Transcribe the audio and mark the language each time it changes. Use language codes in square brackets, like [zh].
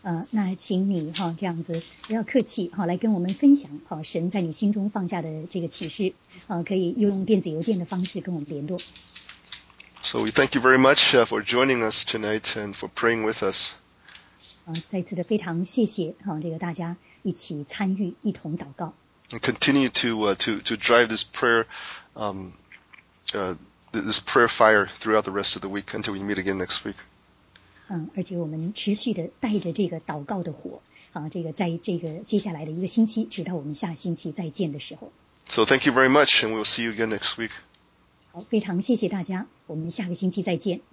[zh] 那请你这样子不要客气来跟我们分享神在你心中放下的这个启示可以用电子邮件的方式跟我们联络。 [en] So we thank you very much for joining us tonight and for praying with us. [zh] 再次的非常谢谢这个大家一起参与一同祷告。 [en] And continue to drive this prayer fire throughout the rest of the week until we meet again next week. [zh] 而且我们持续的带着这个祷告的火这个在这个接下来的一个星期直到我们下星期再见的时候。 [en] So thank you very much and we'll see you again next week. [zh] 好，非常谢谢大家，我们下个星期再见。